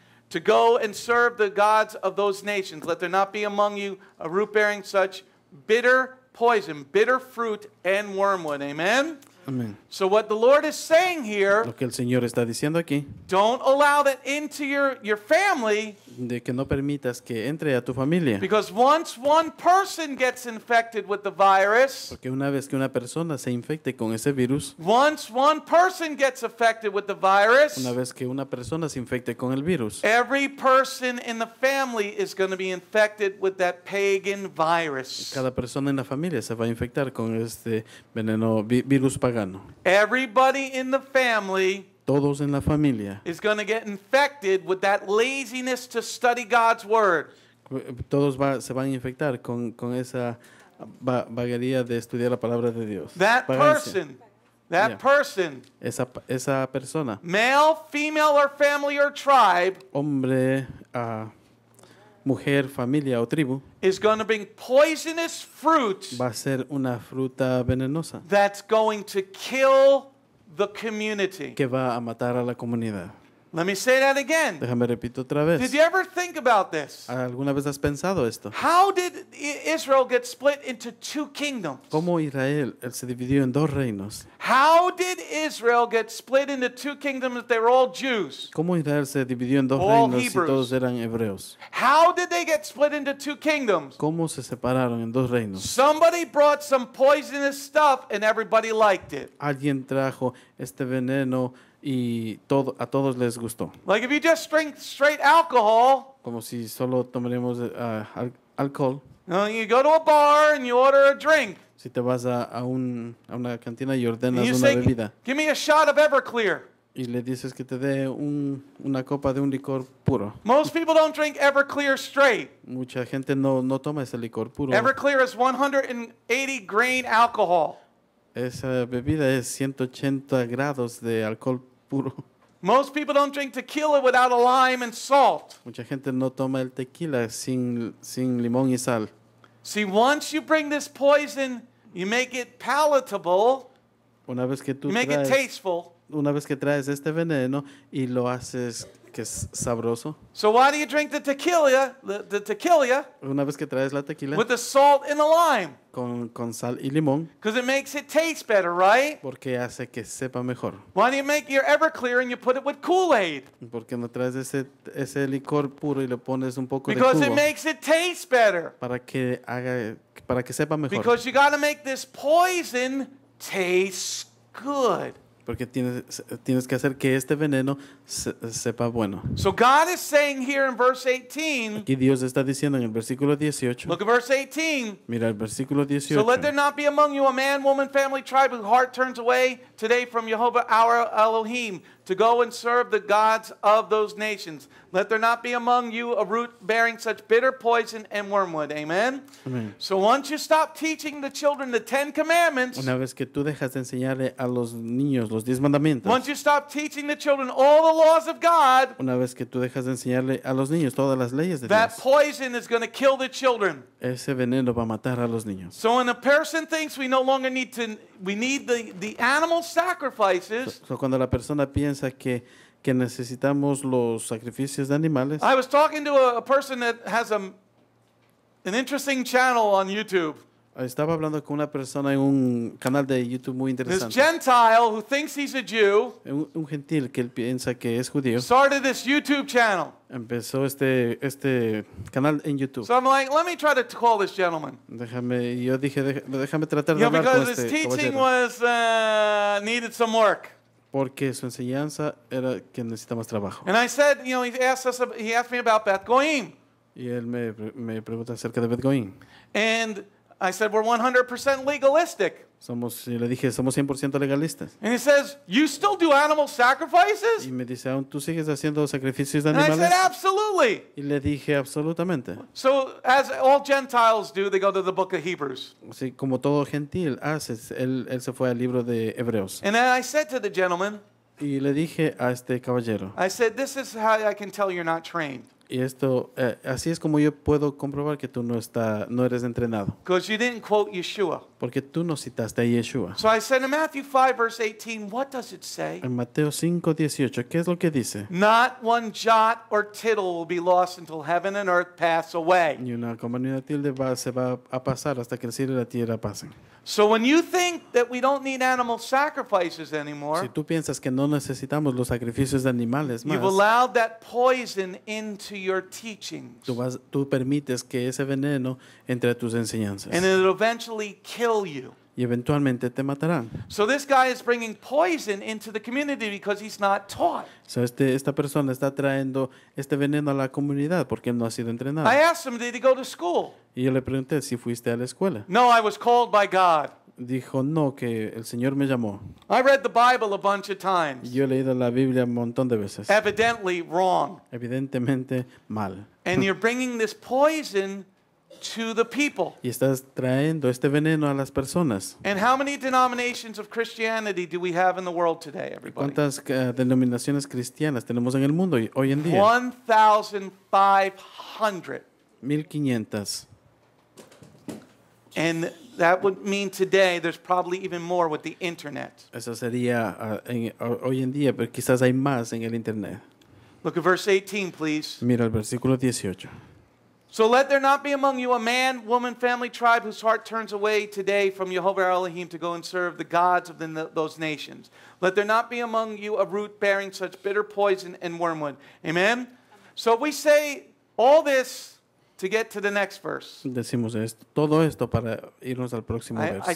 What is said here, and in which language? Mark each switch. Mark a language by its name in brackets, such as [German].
[English] To go and serve the gods of those nations. Let there not be among you a root bearing such bitter poison, bitter fruit, and wormwood. Amen? Amen. So what the Lord is saying here, [Spanish] lo que el Señor está diciendo aquí, [English] don't allow that into your family, [Spanish] de que no permitas que entre a tu familia. [English] Because once one person gets infected with the virus, [Spanish] porque una vez que una persona se infecte con ese virus, [English] once one person gets affected with the virus, [Spanish] una vez que una persona se infecte con el virus, [English] every person in the family is going to be infected with that pagan virus. [Spanish] Cada persona en la familia se va a infectar con este veneno virus pagano. [English] Everybody in the family, [Spanish] todos en la familia, [English] is going to get infected with that laziness to study God's word. [Spanish] Todos se van a infectar con esa vaguería de estudiar la palabra de Dios. [English] That person. [Spanish] Esa persona. [English] Male, female, or family or tribe. [Spanish] Hombre, mujer, familia o tribu. [English] Is going to bring poisonous fruit. [Spanish] Va a ser una fruta venenosa. [English] That's going to kill the community. [Spanish] Que va a matar a la comunidad. [English] Let me say that again. [Spanish] Déjame repito otra vez. [English] Did you ever think about this? [Spanish] ¿Alguna vez has pensado esto? [English] How did Israel get split into two kingdoms? [Spanish] ¿Cómo Israel se dividió en dos reinos? [English] How did Israel get split into two kingdoms if they were all Jews? [Spanish] ¿Cómo Israel se dividió en dos reinos si todos eran hebreos? [English] How did they get split into two kingdoms? [Spanish] ¿Cómo se separaron en dos reinos? [English] Somebody brought some poisonous stuff and everybody liked it. [Spanish] Alguien trajo este veneno y todo, a todos les gustó. [English] Like if you just drink straight alcohol, [Spanish] como si solo tomaremos alcohol. [English] You go to a bar and you order a drink. [Spanish] Si te vas a una cantina y ordenas una bebida. [English] Give me a shot of Everclear. [Spanish] Y le dices que te dé una copa de un licor puro. [English] Most people don't drink Everclear straight. [Spanish] Mucha gente no toma ese licor puro. [English] Everclear is 180 grain alcohol. [Spanish] Esa bebida es 180 grados de alcohol puro. [English] Most people don't drink tequila without a lime and salt. [Spanish] Mucha gente no toma el tequila sin limón y sal. [English] See, once you bring this poison, you make it palatable. [Spanish] Una vez que tú [English] you make [Spanish] traes, [English] it tasteful. [Spanish] Una vez que traes este veneno y lo haces que es sabroso. [English] So why do you drink the tequila? The tequila. [Spanish] Una vez que traes la tequila. [English] With the salt and the lime. [Spanish] Con sal y limón. [English] Because it makes it taste better, right? [Spanish] Porque hace que sepa mejor. [English] Why do you make your Everclear and you put it with Kool-Aid? [Spanish] Porque no traes ese licor puro y le pones un poco [English] because [Spanish] de jugo. [English] Because it makes it taste better. [Spanish] Para que sepa mejor. [English] Because you got to make this poison taste good. [Spanish] Porque tienes que hacer que este veneno sepa bueno. [English] So God is saying here in verse 18. [Spanish] Aquí Dios está diciendo en el versículo 18. [English] Look at verse 18. [Spanish] Mira el versículo 18. [English] So let there not be among you a man, woman, family, tribe whose heart turns away today from Yehovah our Elohim to go and serve the gods of those nations. Let there not be among you a root bearing such bitter poison and wormwood. Amen. Amen. So once you stop teaching the children the Ten Commandments. [Spanish] Una vez que tú dejas de enseñarle a los niños los diez mandamientos. [English] Once you stop teaching the children all the laws of God. [Spanish] Una vez que tú dejas de enseñarle a los niños todas las leyes de Dios. [English] That poison is going to kill the children. [Spanish] Ese veneno va a matar a los niños. [English] So when a person thinks we no longer need to, we need the animal sacrifices. [Spanish] So cuando la persona piensa que necesitamos los sacrificios de animales. [English] I was talking to a person that has an interesting channel on YouTube. [Spanish] Estaba hablando con una persona en un canal de YouTube muy interesante. [English] This Gentile who thinks he's a Jew. [Spanish] Un gentil que él piensa que es judío. [English] Started this YouTube channel. [Spanish] Empezó este canal en YouTube. [English] So I'm like, let me try to call this gentleman. [Spanish] Déjame tratar de hablar con este. [English] Yeah, because his teaching was needed some work. [Spanish] Porque su enseñanza era que necesita más trabajo. [English] And I said, you know, he asked me about Beth Goyim. [Spanish] Y él me pregunta acerca de Beth Goyim. [English] And I said, we're 100% legalistic. [Spanish] Le dije, somos 100% legalistas. [English] And he says, you still do animal sacrifices? [Spanish] Y me dice, ¿aún tú sigues haciendo sacrificios de animales? [English] And I said, absolutely. [Spanish] Y le dije, absolutamente. [English] So as all Gentiles do, they go to the book of Hebrews. [Spanish] Sí, como todo gentil hace, él se fue al libro de Hebreos. [English] And then I said to the gentleman, [Spanish] y le dije a este caballero, [English] I said, this is how I can tell you're not trained. [Spanish] Y esto, así es como yo puedo comprobar que tú no eres entrenado. [English] Because you didn't quote Yeshua. [Spanish] Porque tú no citaste a Yeshua. [English] So I said in Matthew 5 verse 18, what does it say? [Spanish] En Mateo 5, 18, ¿qué es lo que dice? [English] Not one jot or tittle will be lost until heaven and earth pass away. [Spanish] Ni una coma ni una tilde se va a pasar hasta que el cielo y la tierra pasen. [English] So when you think that we don't need animal sacrifices anymore, [Spanish] si tú piensas que no necesitamos los sacrificios de animales más, [English] you've allowed that poison into your teachings. [Spanish] Tú permites que ese veneno entre a tus enseñanzas. [English] And it'll eventually kill you. [Spanish] Y eventualmente te matarán. [English] So this guy is bringing poison into the community because he's not taught. [Spanish] So esta persona está trayendo este veneno a la comunidad porque no ha sido entrenado. [English] I asked him, did he go to school? [Spanish] Y yo le pregunté si fuiste a la escuela. [English] No, I was called by God. [Spanish] Dijo no, que el Señor me llamó. [English] I read the Bible a bunch of times. [Spanish] Yo he leído la Biblia un montón de veces. [English] Evidently wrong. [Spanish] Evidentemente mal. [English] And you're bringing this poison to the people. [Spanish] Y estás trayendo este veneno a las personas. [English] And how many denominations of Christianity do we have in the world today, everybody? [Spanish] ¿Cuántas denominaciones cristianas tenemos en el mundo hoy en día? [English] 1,500. [Spanish] 1,500. [English] And that would mean today there's probably even more with the internet. [Spanish] Eso sería hoy en día, pero quizás hay más en el internet. [English] Look at verse 18, please. [Spanish] Mira el versículo 18. [English] So let there not be among you a man, woman, family, tribe whose heart turns away today from Yehovah Elohim to go and serve the gods of those nations. Let there not be among you a root bearing such bitter poison and wormwood. Amen? So we say all this to get to the next verse. [Spanish] Decimos esto, todo esto para irnos al próximo verso.